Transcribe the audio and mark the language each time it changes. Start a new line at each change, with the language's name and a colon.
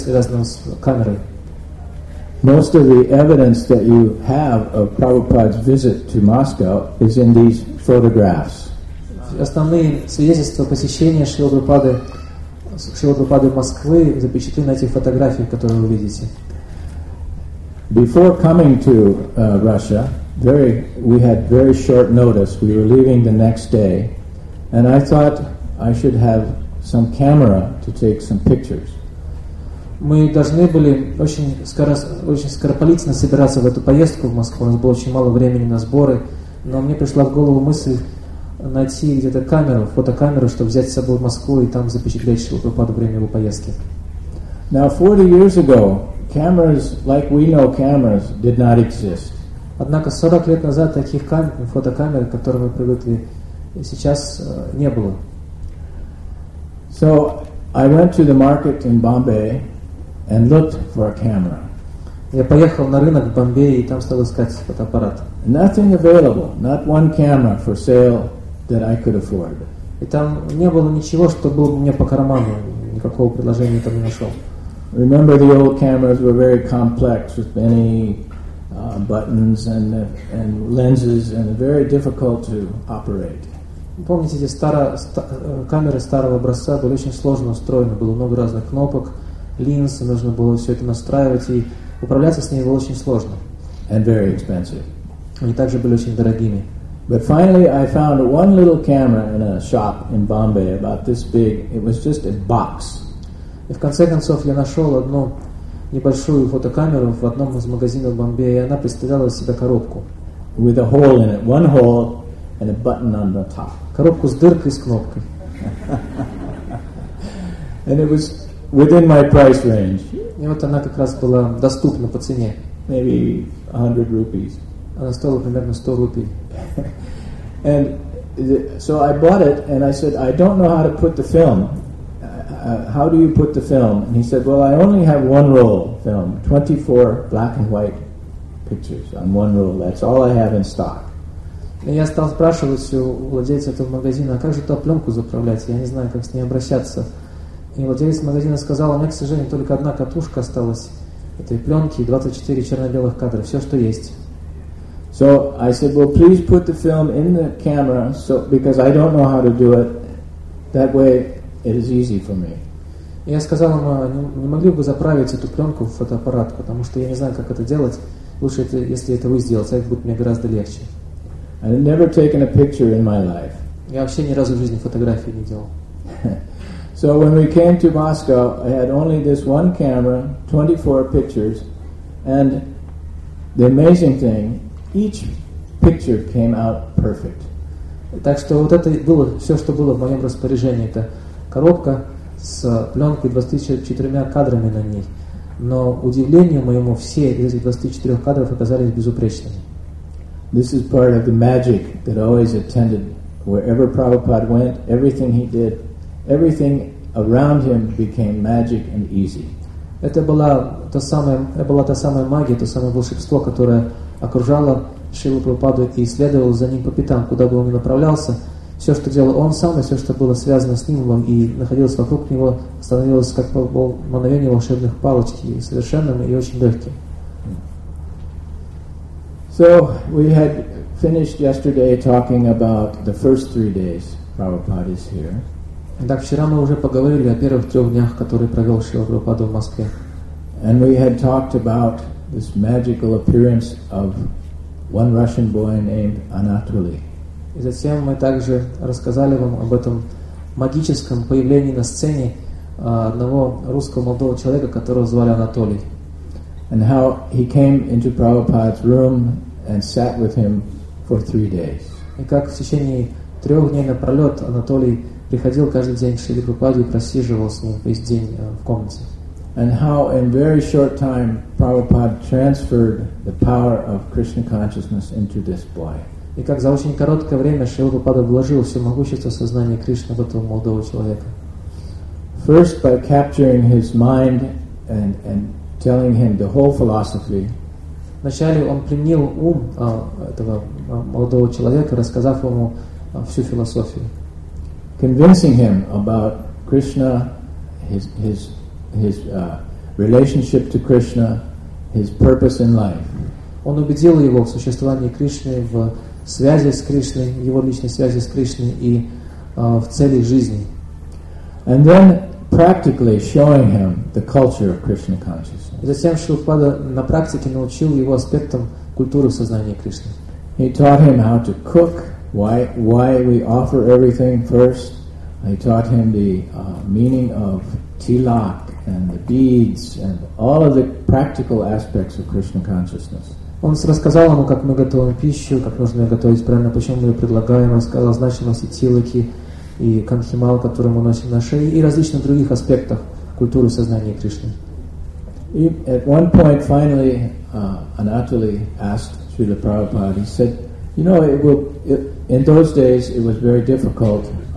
English: Most of the evidence that you have of Prabhupada's visit to Moscow is in these photographs.
Russian: Основные свидетельства посещения Шрилы Прабхупады Москвы запечатлены на этих фотографиях, которые вы видите.
English: Before coming to Russia, we had very short notice. We were leaving the next day, and I thought I should have some camera to take some pictures.
Russian: Мы должны были очень скоропалительно собираться в эту поездку в Москву. У нас было очень мало времени на сборы, но мне пришла в голову мысль найти где-то камеру, фотокамеру, чтобы взять с собой в Москву и там запечатлеть Шрилу-Прабхупаду во время его поездки.
English: Now 40 years ago, cameras like we know cameras did not exist.
Russian: Однако 40 лет назад таких камер, фотокамер, к которым мы привыкли, сейчас не было.
English: So I went to the market in Bombay and looked for a camera.
Russian: Я поехал на рынок в Бомбее и там стал искать фотоаппарат.
English: Nothing available, not one camera for sale that I could afford.
Russian: И там не было ничего, что было бы мне по карману, никакого предложения там не нашел.
English: Remember the old cameras were very complex with many buttons and lenses and very difficult to operate.
Russian: Помните, эти камеры старого образца были очень сложно устроены, было много разных кнопок, линз, нужно было все это настраивать, и управляться с ними было очень сложно.
English: And very expensive.
Russian: Они также были очень дорогими.
English: But finally I found one little camera in a shop in Bombay about this big. It was just a box.
Russian: И в конце концов я нашел одну небольшую фотокамеру в одном из магазинов в Бомбее, и она представляла из себя коробку.
English: With a hole in it, one hole and a button on the top.
Russian: Коробку с дыркой с кнопкой.
English: And it was within my price range.
Russian: И вот она как раз была доступна по цене.
English: Maybe 100 rupees.
Russian: Она стоила примерно 100 рупий.
English: And so I bought it and I said, I don't know how to put the film. How do you put the film? And he said, well, I only have one roll film, 24 black and white pictures on one roll. That's all I have in stock.
Russian: И я стал спрашивать у владельца этого магазина, а как же ту пленку заправлять? Я не знаю, как с ней обращаться. И владелец магазина сказал, у меня, к сожалению, только одна катушка осталась этой пленки и 24 черно-белых кадра. Все, что есть.
English: So I said, well, please put the film in the camera so because I don't know how to do it. That way it is easy for me.
Russian: Я сказал ему, не могли бы заправить эту пленку в фотоаппарат, потому что я не знаю, как это делать. Лучше, это, если это вы сделаете, это будет мне гораздо легче.
English: I had never taken a picture in my life.
Russian: Я вообще ни разу в жизни фотографии не делал.
English: So when we came to Moscow, I had only this one camera, 24 pictures, and the amazing thing, each picture came out perfect.
Russian: Так что вот это было все, что было в моем распоряжении. Это коробка с пленкой 24 кадрами на ней. Но удивлению моему, все из этих 24 кадров оказались безупречными.
English: This is part of the magic that always attended wherever Prabhupada went, everything he did, everything around him became magic and easy.
Russian: Это была та самая магия, то самое волшебство, которое окружало Шрилу Прабхупаду и следовало за ним по пятам, куда бы он ни направлялся. Все, что делал он сам, и все, что было связано с ним и находилось вокруг него, становилось как мановение волшебных палочки, совершенным и очень легким.
English: So we had finished yesterday talking about the first 3 days Prabhupada is here.
Russian: Так вчера мы уже поговорили о первых 3 днях, которые провел Шрила Прабхупада в Москве.
English: And we had talked about this magical appearance of one Russian boy named Anatoly.
Russian: И затем мы также рассказали вам об этом магическом появлении на сцене одного русского молодого человека, которого звали Анатолий.
English: And how he came into Prabhupada's room and sat with him for 3 days.
Russian: И как в течение 3 дней напролет Анатолий приходил каждый день к Шриле Прабхупаде и просиживал с ним весь день в комнате.
English: And how in very short time Prabhupada transferred the power of Krishna consciousness into this boy.
Russian: И как за очень короткое время Шрила Прабхупада вложил все могущество сознания Кришны в этого молодого человека.
English: First by capturing his mind and telling him the whole philosophy.
Russian: Вначале он пленил ум этого молодого человека, рассказав ему всю философию.
English: Convincing him about Krishna, his relationship to Krishna, his purpose in life.
Russian: Он убедил его в существовании Кришны, в связи с Кришной, его личной связи с Кришной и в цели жизни.
English: And then practically showing him the culture of Krishna consciousness.
Russian: И затем Шрила Прабхупада на практике научил его аспектам культуры сознания Кришны.
English: He taught him how to cook, why we offer everything first. I taught him the meaning of tilak and the beads and all of the practical aspects of Krishna consciousness.
Russian: Он рассказал ему, как мы готовим пищу, как нужно ее готовить правильно, почему мы ее предлагаем, рассказал значимости тилаки и канхимал, который мы носим на шее, и различных других аспектах культуры сознания Кришны. И
English: at one point, finally, Anatoli asked Srila Prabhupada, he said, you know, in those days it was very difficult.